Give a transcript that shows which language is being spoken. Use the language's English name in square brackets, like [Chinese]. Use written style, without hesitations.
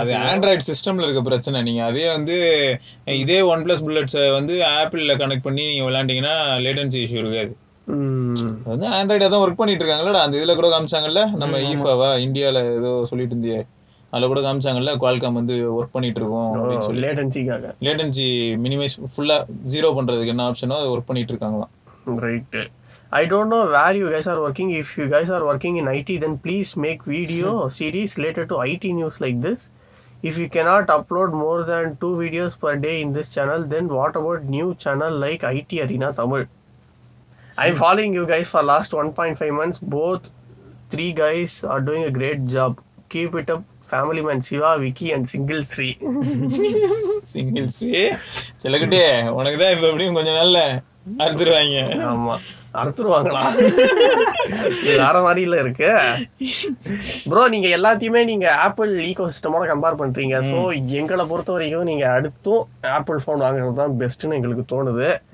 [Tamil] அது ஆண்ட்ராய்டு சிஸ்டமில் இருக்க பிரச்சனை. நீங்கள் அதே வந்து இதே ஒன் பிளஸ் புல்லட்ஸை வந்து ஆப்பிளில் கனெக்ட் பண்ணி நீங்கள் விளாண்டிங்கன்னா லேட்டன்சி இஷ்யூ இருக்காது. அது வந்து ஆண்ட்ராய்டை தான் ஒர்க் பண்ணிகிட்டு இருக்காங்களா, அந்த இதில் கூட காமிச்சாங்கல்ல, நம்ம ஈஃபாவா இந்தியாவில் ஏதோ சொல்லிட்டு இருந்தியே அதில் கூட காமிச்சாங்கல்ல, குவால்காம் வந்து ஒர்க் பண்ணிகிட்டு இருக்கோம் அப்படின்னு சொல்லி லேட்டன்சிக்காக லேட்டன்சி மினிமைஸ் ஃபுல்லாக ஜீரோ பண்ணுறதுக்கு என்ன ஆப்ஷனோ அதை ஒர்க் பண்ணிகிட்டு இருக்காங்களாம். Right. [English] I don't know where you guys are working. If you guys are working in IT, then please make video series related to IT news like this. If you cannot upload more than 2 videos per day in this channel, then what about new channel like IT Arena Tamil? I'm following you guys for last 1.5 months. Both 3 guys are doing a great job. Keep it up, family man Shiva, Vicky and Single Sri. [Tamil] Single Sri? சொல்லுகிட்டே, உனக்குதான் இப்போ எப்படியும் கொஞ்சம் நல்ல அறுத்துருவாங்க. ஆமாம். அறுத்துருவாங்களா? வேற மாதிரில இருக்கு bro. நீங்க எல்லாத்தையுமே நீங்க ஆப்பிள் ஈகோ சிஸ்டமோட கம்பேர் பண்றீங்க. ஸோ எங்களை பொறுத்த வரைக்கும் நீங்க அடுத்தும் ஆப்பிள் போன் வாங்குறது தான் பெஸ்ட்னு எங்களுக்கு தோணுது.